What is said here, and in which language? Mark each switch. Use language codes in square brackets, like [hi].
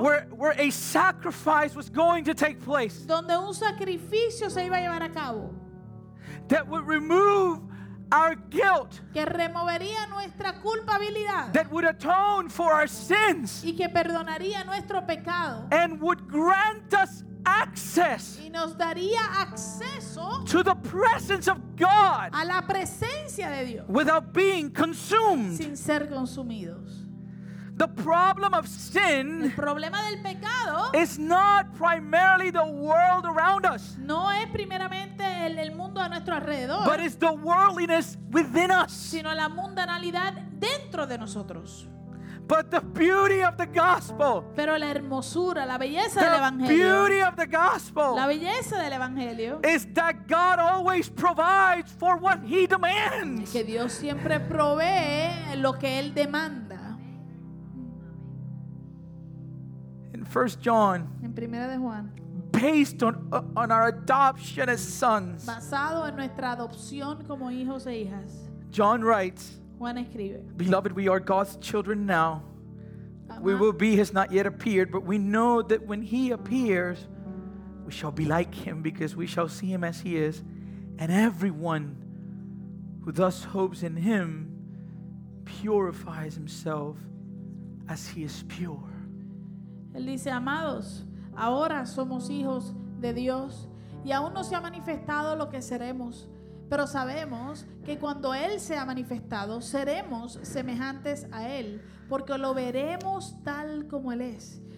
[en] where a sacrifice was going to take place. [es] Donde un sacrificio se iba a llevar a cabo. [en] That would remove our guilt. [es] Que removería nuestra culpabilidad. [en] That would atone for our sins. [es] Y que perdonaría nuestro pecado. [en] And would grant us access. [es] Y nos daría acceso. [en] To the presence of God. [es] A la presencia de Dios. [en] Without being consumed. [es] Sin ser consumidos. [en] The problem of sin. [es] El problema del pecado. [en] Is not primarily the world around us. [es] No es primeramente el mundo a nuestro alrededor. [en] But it's the worldliness within us. [es] Sino la mundanalidad dentro de nosotros. [en] But the beauty of the gospel. [es] Pero la hermosura, la belleza [en] the [es] del evangelio. [en] The beauty of the gospel. [es] La belleza del evangelio. [en] Is that God always provides for what He demands. [es] Que Dios siempre provee lo que Él demanda. [en] First John, [es] en primera de Juan, [en] based on our adoption as sons, [es] basado en nuestra adopción como hijos e hijas, [en] John writes, [es] Juan escribe, [en] beloved, we are God's children now. Amado, we will be, has not yet appeared, but we know that when he appears, we shall be like him because we shall see him as he is. and everyone who thus hopes in him purifies himself as he is pure. [es] Él dice, amados, ahora somos hijos de Dios y aún no se ha manifestado lo que seremos, pero sabemos que cuando Él sea manifestado, seremos semejantes a Él, porque lo veremos tal como Él es.